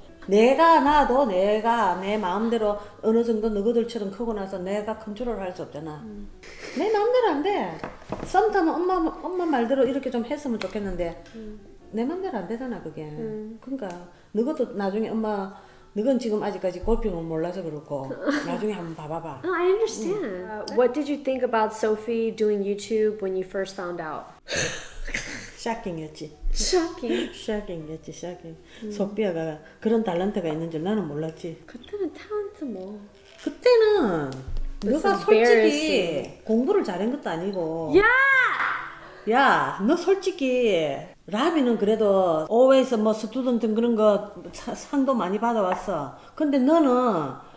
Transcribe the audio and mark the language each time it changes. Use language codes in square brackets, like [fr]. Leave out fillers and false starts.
[ko] 내가 나도 내가 내 마음대로 어느 정도 너희들처럼 크고 나서 내가 컨트롤 할 수 없잖아. 내 마음대로 안 돼. 썸타면 엄마 말대로 이렇게 좀 했으면 좋겠는데 내 마음대로 안 되잖아 그게. 그러니까 너희도 나중에 엄마 너건 지금 아직까지 골핑은 몰라서 그렇고 나중에 한번 봐봐. [en] Oh, I understand. What did you think about Sophie doing YouTube when you first found out? [ko] Shocking였지. [en] Shocking. [ko] Shocking였지. Shocking. 소피아가 그런 탤런트가 있는 줄 나는 몰랐지. 그때는 탤런트 뭐. 그때는 너가 솔직히 공부를 잘한 것도 아니고. 야! 야, 너 솔직히 라비는 그래도 always 뭐 스튜던트 그런 거 상도 많이 받아왔어. 근데 너는